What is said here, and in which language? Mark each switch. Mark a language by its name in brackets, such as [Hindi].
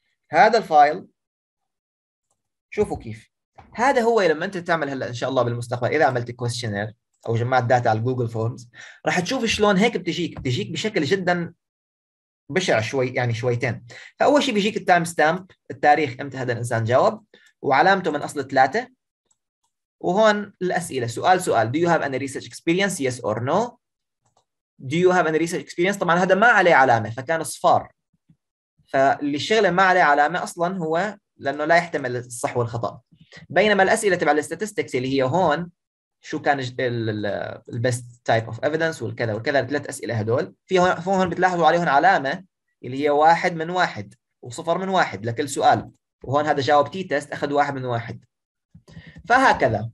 [Arabic] هذا الفايل شوفوا كيف، هذا هو لما انت تعمل هلا ان شاء الله بالمستقبل اذا عملت كويستشنير او جمعت داتا على جوجل فورمز، راح تشوف شلون هيك بتجيك بشكل جدا بشع شوي، يعني شويتين. فاول شيء بيجيك التايم ستامب، التاريخ امتى هذا الانسان جاوب، وعلامته من أصل 3. وهون الأسئلة سؤال سؤال: [English] Do you have any research experience? Yes or no. Do you have any research experience? [Arabic] طبعاً هذا ما عليه علامة فكان صفار، فاللي الشغلة ما عليه علامة أصلاً هو لأنه لا يحتمل الصح والخطأ. بينما الأسئلة تبع الستاتستكس اللي هي هون شو كان البست تايب اوف ايفيدنس والكذا والكذا، الثلاث أسئلة هدول في هون بتلاحظوا عليهم علامة اللي هي 1 من 1 وصفر من 1 لكل سؤال، وهون هذا جاوب تي تيست أخذ 1 من 1 فهكذا.